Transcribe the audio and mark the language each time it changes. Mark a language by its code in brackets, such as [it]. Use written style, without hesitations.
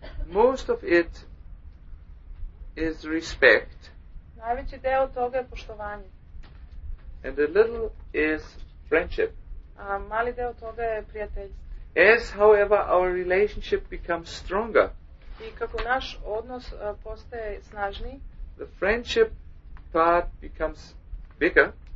[en] Most of it is respect. [sr] Najveći deo toga je poštovanje. [en] And a little is friendship. [sr] A mali deo toga je prijateljstvo. [en] As, however, our relationship becomes stronger. [sr] I kako naš odnos postaje snažniji. [en] The friendship part becomes bigger.